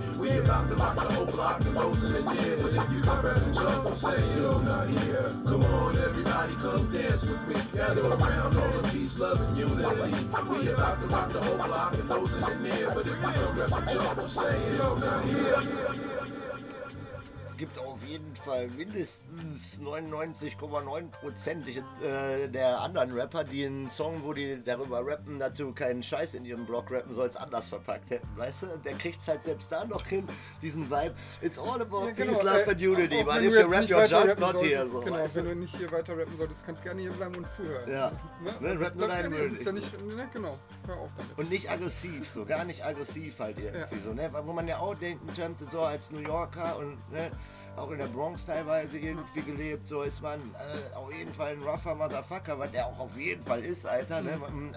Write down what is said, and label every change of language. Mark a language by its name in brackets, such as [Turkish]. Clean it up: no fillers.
[English] We about to rock the whole block and those in the air. But if you come back and jump, I'm saying, yo, not here. Come on, everybody, come dance with me. Gather around, all in peace, love, and unity. We about to rock the whole block and those in the air. But if you come back and jump, I'm saying, yo, not here. [German] Es gibt auf jeden Fall mindestens 99,9% der anderen Rapper, die einen Song, wo die darüber rappen, dazu keinen Scheiß in ihrem Blog rappen, so als anders verpackt hätten, weißt du? Der kriegt es halt selbst da noch hin, diesen Vibe. [English] It's all about peace, genau, love and unity, weil if you rap your junk, not here. [German] So, genau, weißt du? Wenn du nicht hier weiter rappen solltest, kannst gerne hier bleiben und zuhören. Ja, ne? Ne? Rap nur deinen Müll. Genau, hör auf damit. Und nicht aggressiv, so, gar nicht aggressiv halt irgendwie, ja. So, ne? Wo man ja auch denken könnte, so als New Yorker und, ne? Auch in der Bronx teilweise irgendwie gelebt, so ist man auf jeden Fall ein rougher Motherfucker, was der auch auf jeden Fall ist, Alter. Ne?